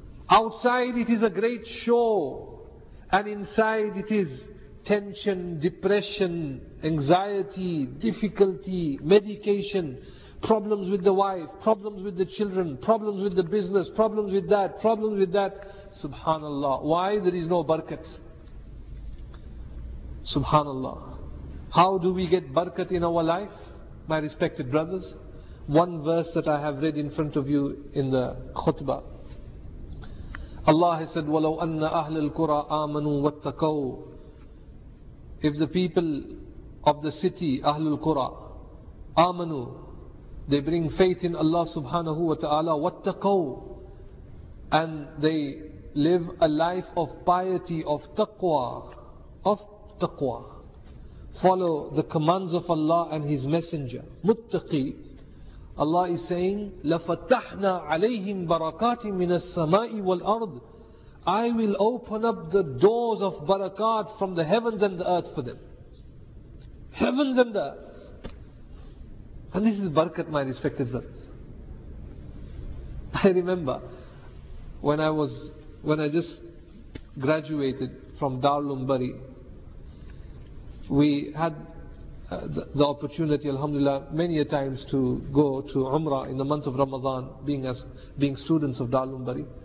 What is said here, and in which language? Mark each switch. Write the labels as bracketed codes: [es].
[en] Outside it is a great show and inside it is tension, depression, anxiety, difficulty, medication, problems with the wife, problems with the children, problems with the business, problems with that, problems with that. Subhanallah. Why? There is no barakat. Subhanallah. How do we get barakat in our life, my respected brothers? One verse that I have read in front of you in the khutbah. Allah has said, [ar] وَلَوْ أَنَّ أَهْلَ الْقُرَىٰ آمَنُوا وَاتَّقَوْا. [en] If the people of the city, Ahlul Qura, آمَنُوا, they bring faith in Allah subhanahu wa ta'ala, وَاتَّقَوْا, and they live a life of piety, of taqwa, of taqwa, follow the commands of Allah and His Messenger, muttaqi. Allah is saying, [ar] لَفَتَّحْنَا عَلَيْهِمْ بَرَكَاتٍ مِنَ السَّمَاءِ وَالْأَرْضِ. [en] I will open up the doors of barakat from the heavens and the earth for them. Heavens and the earth. And this is barakat, my respected brothers. I remember when I just graduated from Darul Bari, we had the opportunity, alhamdulillah, many a times to go to Umrah in the month of Ramadan, being students of Darul Bari.